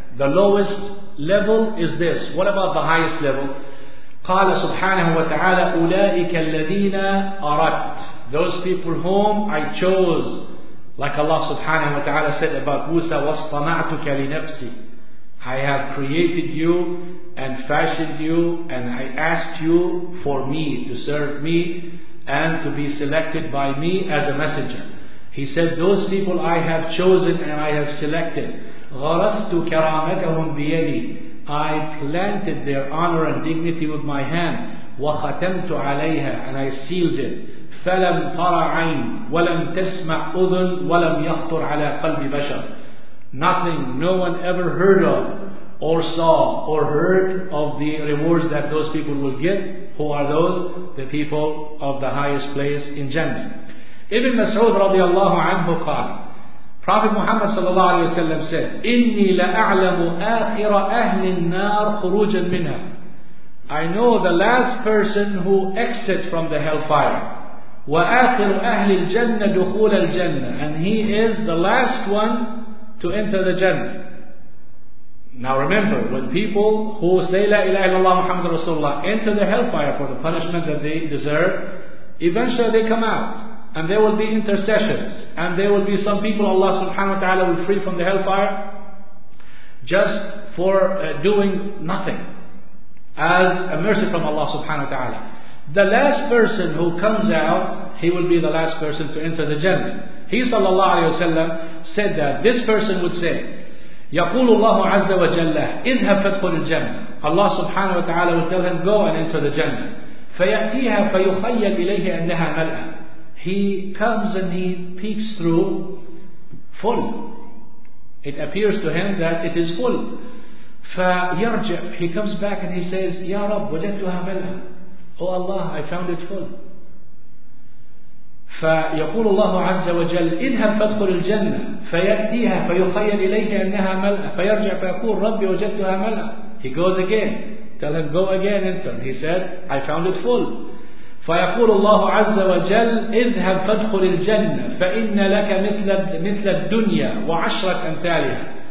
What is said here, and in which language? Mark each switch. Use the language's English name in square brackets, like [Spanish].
[English] The lowest level is this. What about the highest level? [Arabic] قال سبحانه وتعالى أولئك الذين أردت. [English] Those people whom I chose. Like Allah subhanahu wa ta'ala said about Musa, [Arabic] وَاصْطَنَعْتُكَ لِنَفْسِي. [English] I have created you and fashioned you and I asked you for me, to serve me and to be selected by me as a messenger. He said, those people I have chosen and I have selected. [Arabic] غَرَسْتُ كَرَامَتَهُمْ بِيَدِي. [English] I planted their honor and dignity with my hand. [Arabic] وَخَتَمْتُ عَلَيْهَا. [English] And I sealed it. [Arabic] فَلَمْ تَرَ عَيْنٍ وَلَمْ تَسْمَعْ أُذُنٍ وَلَمْ يَخْطُرْ عَلَىٰ قَلْبِ بَشَرٍ. [English] Nothing, no one ever heard of or saw or heard of the rewards that those people will get. Who are those? The people of the highest place in Jannah. Ibn Mas'ud radiallahu anhu qal, Prophet Muhammad sallallahu alayhi wa sallam said, [Arabic] إِنِّي لَأَعْلَمُ آخِرَ أَهْلِ النَّارِ خُرُوجًا مِنْهَا. [English] I know the last person who exits from the hellfire. [Arabic] وآخر أهل الجنة دخول الجنة. [English] And he is the last one to enter the Jannah. Now remember, when people who say La ilaha illallah Muhammad Rasulullah enter the hellfire for the punishment that they deserve, eventually they come out. And there will be intercessions. And there will be some people Allah subhanahu wa ta'ala will free from the hellfire just for doing nothing. as a mercy from Allah subhanahu wa ta'ala. The last person who comes out, he will be the last person to enter the Jannah. He sallallahu alayhi wa sallam said that this person would say, [Arabic] يقول الله عز وجل اذهب فادخل الجنة. [English] Allah subhanahu wa ta'ala will tell him, go and enter the Jannah. [Arabic] فيأتيها فيخيل إليه أنها ملأة. [English] He comes and he peeks through full. It appears to him that it is full. [Arabic] فيرجع. [English] He comes back and he says, [Arabic] يا رب وجدتها ملأة. [English] Oh Allah, I found it full. [Arabic] فيقول الله عز وجل اذهب فادخل الجنة فيأتيها فيخيل إليه أنها ملأة فيرجع فيقول ربي وجدتها ملأة. [English] He goes again. Tell him, go again, enter. He said, I found it full. [Arabic] فيقول الله عز وجل اذهب فادخل الجنة فإن لك مثل الدنيا وعشرة أمثالها.